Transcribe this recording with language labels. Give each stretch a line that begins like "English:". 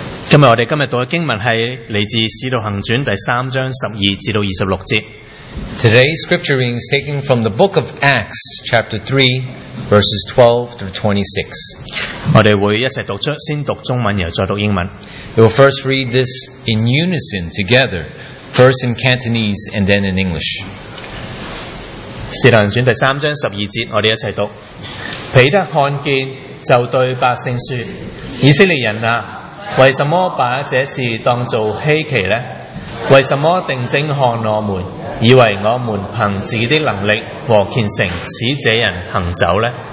Chinese: 今日我们今天读的经文是来自《使徒行传》第三章十二至到二十六节。
English: Today's scripture reading is taken from the book of Acts, chapter 3, verses 12 through 26.
Chinese: 我们会一起读出，先读中文，然后再读英文。
English: We will first read this in unison together, first in Cantonese and then in English.
Chinese: 使徒行传第三章十二节，我们一起读。彼得看见，就对百姓说：以色列人啊，为什么把这事当作稀奇呢？为什么定睛看我们，以为我们凭自己的能力和虔诚使这人行走呢？